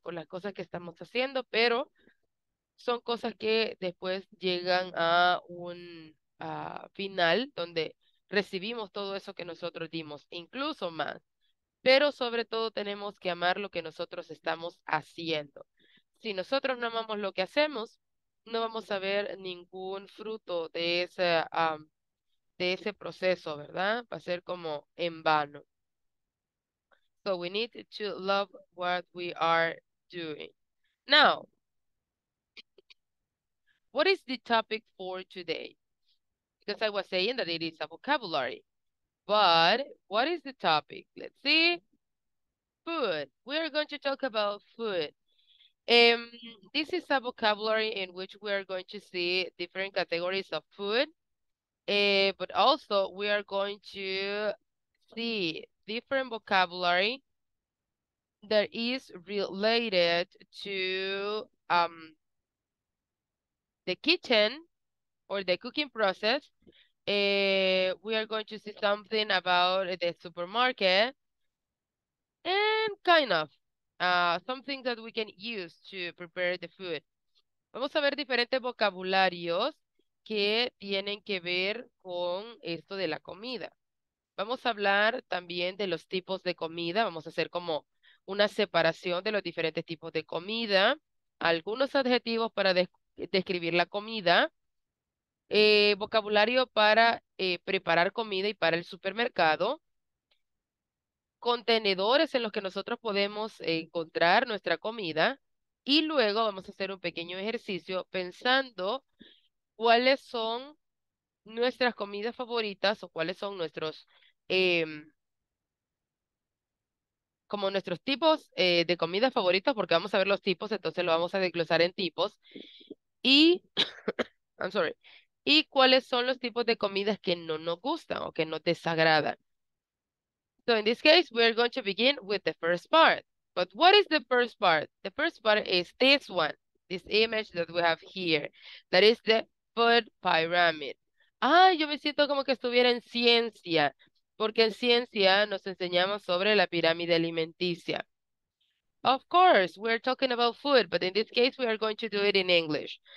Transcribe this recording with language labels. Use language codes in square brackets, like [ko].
[es] Con las cosas que estamos haciendo, pero son cosas que después llegan a un final donde recibimos todo eso que nosotros dimos, incluso más. Pero sobre todo tenemos que amar lo que nosotros estamos haciendo. Si nosotros no amamos lo que hacemos, no vamos a ver ningún fruto de ese proceso, ¿verdad? Va a ser como en vano. [en] So we need to love what we are doing. Now, what is the topic for today? Because I was saying that it is a vocabulary. But what is the topic? Let's see. Food. We are going to talk about food. This is a vocabulary in which we are going to see different categories of food. But also, we are going to see different vocabulary that is related to the kitchen or the cooking process. We are going to see something about the supermarket and kind of something that we can use to prepare the food. [es] Vamos a ver diferentes vocabularios que tienen que ver con esto de la comida. Vamos a hablar también de los tipos de comida. Vamos a hacer como una separación de los diferentes tipos de comida. Algunos adjetivos para describir la comida. Vocabulario para preparar comida y para el supermercado. Contenedores en los que nosotros podemos encontrar nuestra comida. Y luego vamos a hacer un pequeño ejercicio pensando cuáles son nuestras comidas favoritas o cuáles son nuestros como nuestros tipos de comidas favoritas, porque vamos a ver los tipos, entonces lo vamos a desglosar en tipos. Y [en] I'm sorry. [es] ¿Y cuáles son los tipos de comidas que no nos gustan o que no te desagradan? [en] So in this case, we're going to begin with the first part. But what is the first part? The first part is this one, this image that we have here. That is the food pyramid. [es] Ah, yo me siento como que estuviera en ciencia, porque en ciencia nos enseñamos sobre la pirámide alimenticia. [en] Of course, we're talking about food, but in this case, we are going to do it in English.